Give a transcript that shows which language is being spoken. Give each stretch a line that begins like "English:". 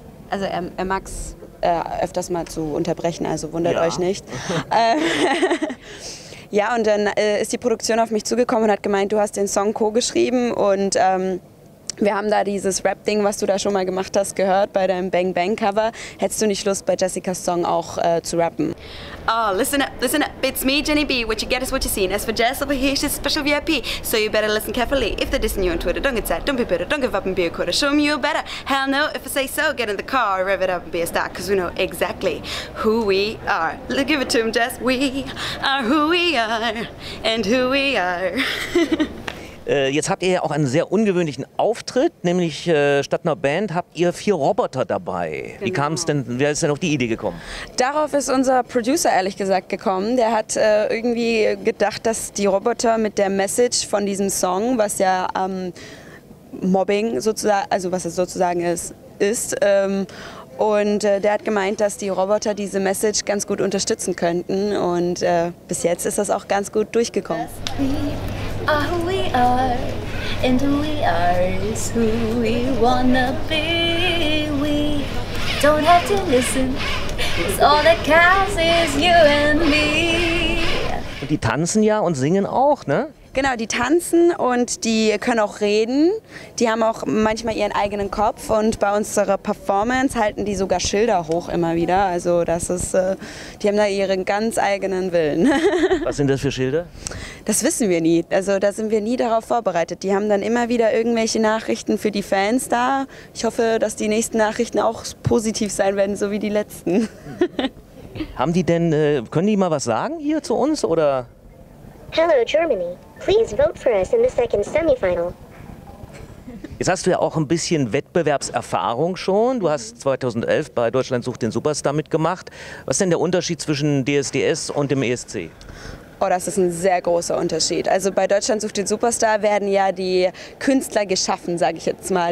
German: Also er mag es öfters mal zu unterbrechen, also wundert ja. Euch nicht. Ja, und dann ist die Produktion auf mich zugekommen und hat gemeint, du hast den Song co-geschrieben und wir haben da dieses Rap-Ding, was du da schon mal gemacht hast, gehört bei deinem Bang Bang-Cover. Hättest du nicht Lust, bei Jessicas Song auch zu rappen?
English: Oh, listen up, it's me, Jenny B. What you get is what you see. And as for Jess over here, she's a special VIP. So you better listen carefully. If they're dissing you on Twitter, don't get sad. Don't be bitter, don't give up and be a quitter. Show them you're better. Hell no, if I say so, get in the car, rev it up and be a star. Cause we know exactly who we are. Give it to him, Jess. We are who we are and who we are.
German: Jetzt habt ihr ja auch einen sehr ungewöhnlichen Auftritt, nämlich statt einer Band habt ihr 4 Roboter dabei. Genau. Wie kam es denn, wer ist denn auf die Idee gekommen? Darauf ist unser Producer ehrlich gesagt gekommen. Der hat irgendwie gedacht, dass die Roboter mit der Message von diesem Song, was ja Mobbing sozusagen, also was es sozusagen ist, und der hat gemeint, dass die Roboter diese Message ganz gut unterstützen könnten. Und bis jetzt ist das auch ganz gut durchgekommen.
English: Are who we are, and who we are is who we wanna be. We don't have to listen, cause all that counts is you and me.
German: Und die tanzen ja und singen auch, ne? Genau, die tanzen und die können auch reden. Die haben auch manchmal ihren eigenen Kopf und bei unserer Performance halten die sogar Schilder hoch immer wieder. Also das ist, die haben da ihren ganz eigenen Willen. Was sind das für Schilder? Das wissen wir nie. Also da sind wir nie darauf vorbereitet. Die haben dann immer wieder irgendwelche Nachrichten für die Fans da. Ich hoffe, dass die nächsten Nachrichten auch positiv sein werden, so wie die letzten. Haben die denn, können die mal was sagen hier zu uns oder?
English: Hello Germany. Please vote for us in the second semifinal.
German: Jetzt hast du ja auch ein bisschen Wettbewerbserfahrung schon. Du hast 2011 bei Deutschland sucht den Superstar mitgemacht. Was ist denn der Unterschied zwischen DSDS und dem ESC? Oh, das ist ein sehr großer Unterschied. Also bei Deutschland sucht den Superstar werden ja die Künstler geschaffen, sage ich jetzt mal.